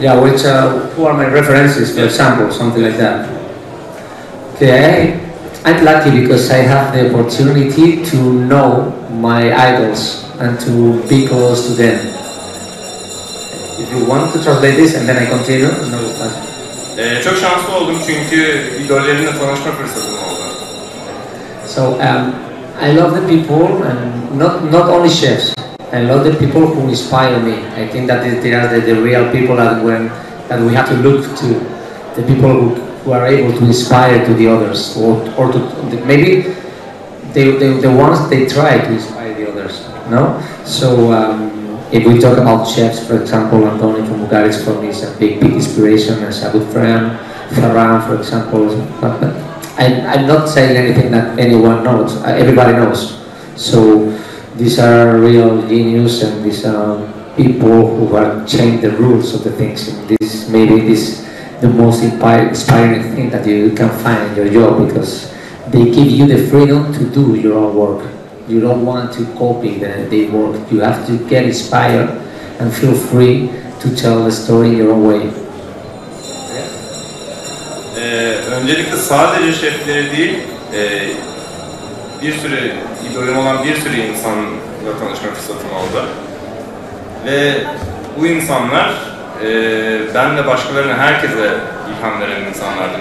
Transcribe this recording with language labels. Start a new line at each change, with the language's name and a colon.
English: Yeah, which, who are my references, for example, something like that. Okay. I'm lucky because I have the opportunity to know my idols and to be close to them. If you want to translate this and then I continue, no question.
Turkish: Çok şanslı oldum çünkü idollerimle tanışma fırsatım oldu.
English: So, I love the people and not only chefs. I love the people who inspire me. I think that they are the real people that we have to look to, the people who are able to inspire to the others, or to maybe the ones they try to inspire the others, no? So if we talk about chefs, for example, Antoni from Bugaris for me is a big inspiration, as a good friend, Ferran, for example. I'm not saying anything that anyone knows, everybody knows. So these are real genius and these are people who have changed the rules of the things. This maybe this the most inspiring thing that you can find in your job, because they give you the freedom to do your own work. You don't want to copy the work. You have to get inspired and feel free to tell the story in your own way.
Turkish: Öncelikle sadece şefleri değil, bir sürü idolüm olan bir sürü insanla tanışma fırsatım oldu. Ve bu insanlar ben de başkalarına, herkese ilham veren insanlardı.